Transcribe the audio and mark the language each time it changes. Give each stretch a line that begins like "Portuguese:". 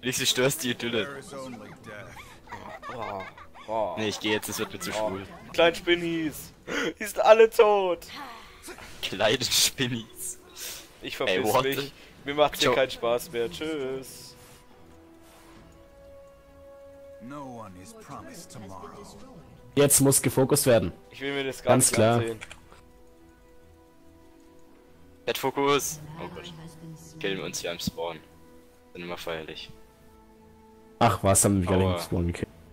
German: Nicht, du störst die Idylle. Oh. Nee, ich geh jetzt, es wird mir zu schwul. Kleine Spinnies. Die sind alle tot. Kleine Spinnies. Ich verpiss mich. Mir macht's hier keinen Spaß mehr. Tschüss.
English: No one is promised tomorrow.
German: Jetzt muss gefokust werden. Ich will mir das gar nicht ansehen. Ganz klar. Fokus. Oh Gott. Killen wir uns hier am Spawn. Sind immer feierlich. Ach was, haben wir wieder im Spawn gekillt.